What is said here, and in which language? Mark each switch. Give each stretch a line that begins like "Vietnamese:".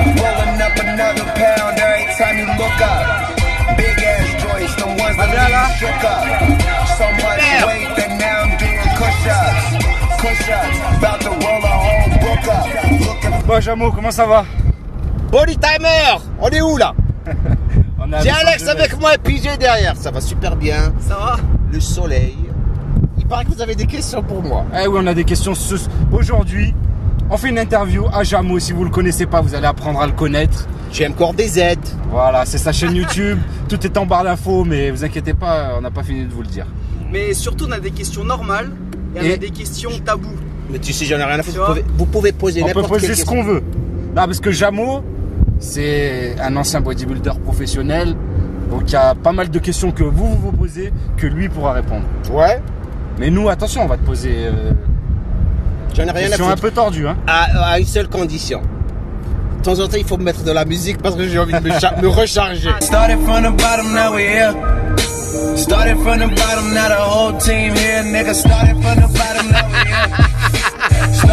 English: Rolling up another pound every time you look up. Big ass joints, the ones that you shook up. So much weight that now I'm doing push-ups. Push-ups, about to roll a whole book up.
French: Bon, Jamo, comment ça va? Body timer, on est où là? Tiens Alex avec moi et PJ derrière, ça va super bien. Ça va? Le soleil. Il paraît que vous avez des questions pour moi. Eh oui, on a des questions. Aujourd'hui, on fait une interview à Jamo. Si vous le connaissez pas, vous allez apprendre à le connaître. J'aime encore des Z. Voilà, c'est sa chaîne YouTube. Tout est en barre d'infos, mais vous inquiétez pas, on n'a pas fini de vous le dire. Mais surtout, on a des questions normales et on a des questions tabous. Mais tu sais, j'en ai rien à foutre. Vous pouvez poser n'importe quelle question. On peut poser ce qu'on veut. Non, parce que Jamo, c'est un ancien bodybuilder professionnel. Donc, il y a pas mal de questions que vous posez, que lui pourra répondre. Ouais. Mais nous, attention, on va te poser. J'en ai rien à foutre. Question un peu tordue, hein. À une seule condition. De temps en temps, il faut mettre de la musique parce que j'ai envie de me recharger.
English: Started from the bottom, now we're here. Started from the bottom, now the whole team here. Nigga, started from the bottom, now we're here.